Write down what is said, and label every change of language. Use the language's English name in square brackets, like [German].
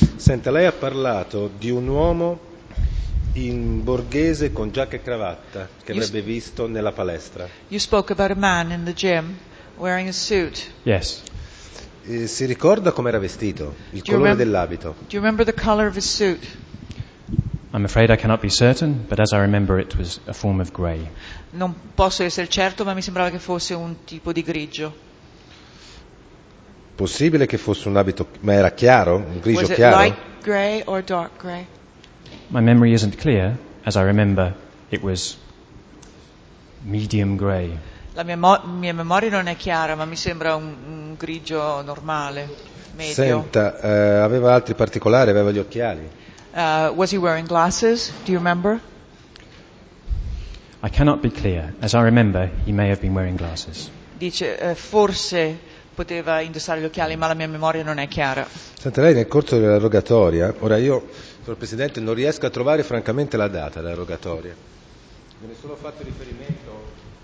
[Italian] Senta, lei ha parlato di un uomo in borghese con giacca e cravatta che avrebbe visto nella palestra. [English] You spoke about a man in the gym wearing a suit. Yes. [Italian] Si ricorda com'era vestito? Il colore dell'abito? [English] Do you remember the color of his suit? I'm afraid I cannot be certain, but as I remember it was a form of grey. [Italian] Non posso essere certo, ma mi sembrava che fosse un tipo di grigio. Possibile che fosse un abito, ma era chiaro, un grigio chiaro? [English] Was it light grey or dark grey? My memory isn't clear, as I remember it was medium grey. [Italian] La mia memoria non è chiara, ma mi sembra un grigio normale, medio. Senta, aveva altri particolari, aveva gli occhiali. [English] Was he wearing glasses? Do you remember? I cannot be clear. As I remember, he may have been wearing glasses. [Italian] Dice, forse poteva indossare gli occhiali, ma la mia memoria non è chiara. Senta, lei nel corso della rogatoria, ora io, signor Presidente, non riesco a trovare francamente la data della rogatoria. Viene solo fatto riferimento...